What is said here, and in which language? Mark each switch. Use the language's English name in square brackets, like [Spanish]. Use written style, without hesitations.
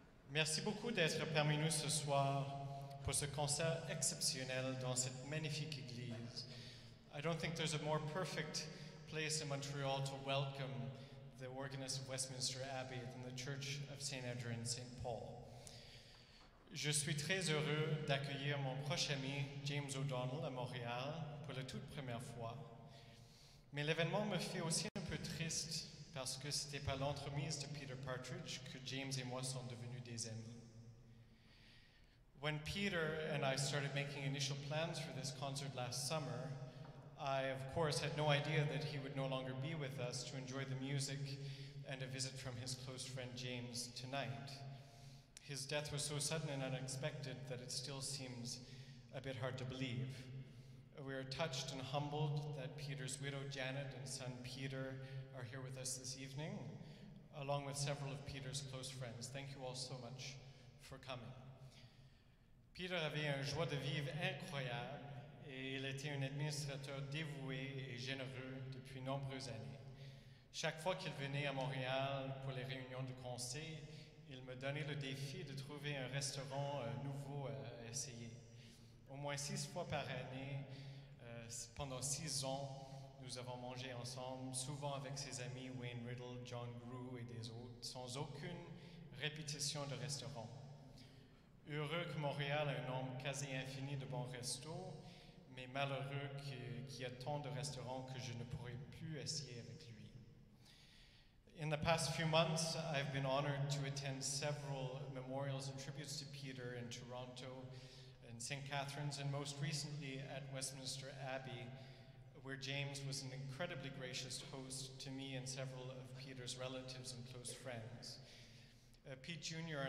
[French] Merci beaucoup d'être parmi nous ce soir pour ce concert exceptionnel dans cette magnifique église. [English] I don't think there's a more perfect place in Montreal to welcome the organist of Westminster Abbey than the Church of St. Andrew and St. Paul. [French] Je suis très heureux d'accueillir mon proche ami James O'Donnell à Montréal pour la toute première fois. Mais l'événement me fait aussi un peu triste parce que ce n'était pas l'entremise de Peter Partridge que James et moi sont devenus des amis. [English] When Peter and I started making initial plans for this concert last summer, I, of course, had no idea that he would no longer be with us to enjoy the music and a visit from his close friend James tonight. His death was so sudden and unexpected that it still seems a bit hard to believe. We are touched and humbled that Peter's widow Janet and son Peter are here with us this evening, along with several of Peter's close friends. Thank you all so much for coming. [French] Peter avait un joie de vivre incroyable, et il était un administrateur dévoué et généreux depuis nombreuses années. Chaque fois qu'il venait à Montréal pour les réunions du conseil, il me donnait le défi de trouver un restaurant nouveau à essayer. Au moins 6 fois par année, pendant 6 ans, nous avons mangé ensemble, souvent avec ses amis Wayne Riddle, John Grew et des autres, sans aucune répétition de restaurant. Heureux que Montréal ait un nombre quasi infini de bons restos, mais malheureux qu'il y ait tant de restaurants que je ne pourrais plus essayer avec lui. [English] In the past few months, I've been honored to attend several memorials and tributes to Peter in Toronto and St. Catharines, and most recently at Westminster Abbey, where James was an incredibly gracious host to me and several of Peter's relatives and close friends. Pete Jr.